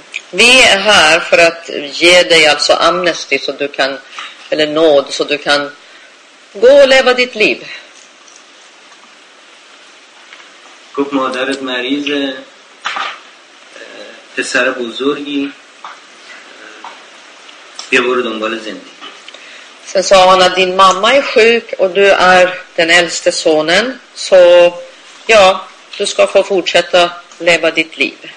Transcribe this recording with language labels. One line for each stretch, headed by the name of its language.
Swedish: Vi är här för att ge dig alltså amnesti så du kan, eller nåd, så du kan gå och leva ditt liv.
Persian: گفت مادرت مریض پسر بزرگی بیا برو دنبال زندگی.
Swedish: Sen sa han att din mamma är sjuk och du är den äldste sonen, så ja, du ska få fortsätta leva ditt liv.